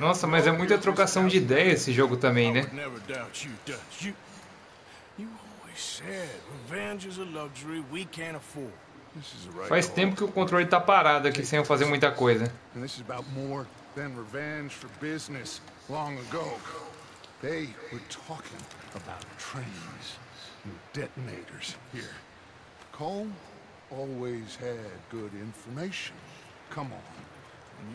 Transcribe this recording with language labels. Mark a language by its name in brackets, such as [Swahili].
[Portuguese] Nossa, mas é muita trocação de ideia esse jogo também, né? [English] I would never doubt you, Dutch. You always said revenge is a luxury we can't afford. [Portuguese] Faz tempo que o controle tá parado aqui sem eu fazer muita coisa. [English] And this is about more than revenge for business long ago. They were talking about trains and detonators here. Cole always had good information. Come on.